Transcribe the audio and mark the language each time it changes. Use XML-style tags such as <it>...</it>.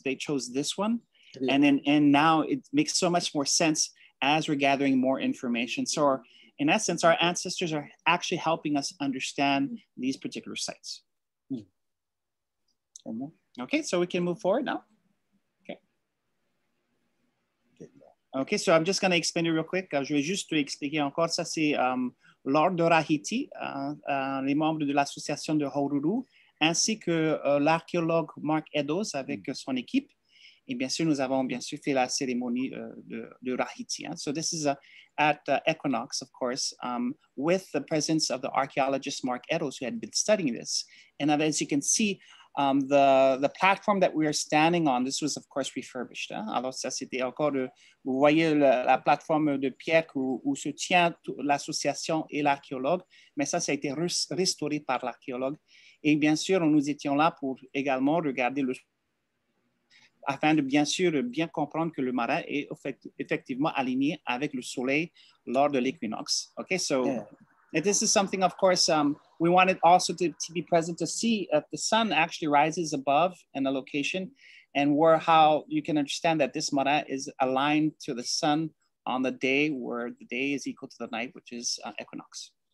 <en>They chose this one, yeah. And now it makes so much more sense as we're gathering more information. So in essence, our ancestors are actually helping us understand these particular sites. Mm. Okay, so we can move forward now. Okay, so I'm just going to explain it real quick.</en> <fr>Je vais juste expliquer encore. Ça, c'est l'ordre de Rahiti, les membres de l'association de Haururu, ainsi que l'archéologue Mark Eddowes avec son équipe. Et bien sûr, nous avons bien sûr fait la cérémonie de Rahiti. Hein.</fr> <en>So this is at Equinox, of course, with the presence of the archaeologist Mark Eddowes, who had been studying this. And as you can see, the platform that we are standing on, this was of course refurbished.</en> <fr>Hein? Alors ça c'était encore, vous voyez la plateforme de pierre où se tient l'association et l'archéologue, mais ça a été restauré par l'archéologue. Et bien sûr, nous étions là pour également regarder le, afin de bien sûr bien comprendre que le marin est effectivement aligné avec le soleil lors de l'équinoxe.</fr> <en>Okay, so yeah. This is something, of course, we wanted also to be present to see if the sun actually rises above in a location, and where, how you can understand that this mara is aligned to the sun on the day where the day is equal to the night, which is equinox.</en>